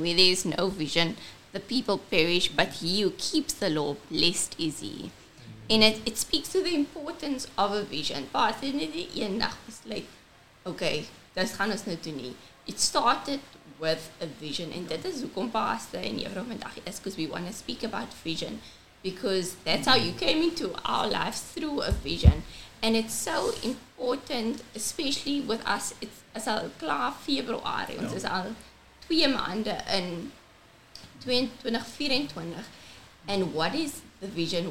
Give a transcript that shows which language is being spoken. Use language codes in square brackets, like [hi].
[en] Where there is no vision, the people perish, but he who keeps the law, blessed is he. En it speaks to the importance of a vision. [af] Pas het nie die een dag besluit, okay, dis gaan ons nou doen nie. [en] It started with a vision, and that is [af] hoekom pastor en juffrou vandag is, [en] because we want to speak about vision, because that's how you came into our lives, through a vision, and it's so important, especially with us. [af] It's as al klaar februari, ons is al 2 maande in 2024, [en] and what is the vision?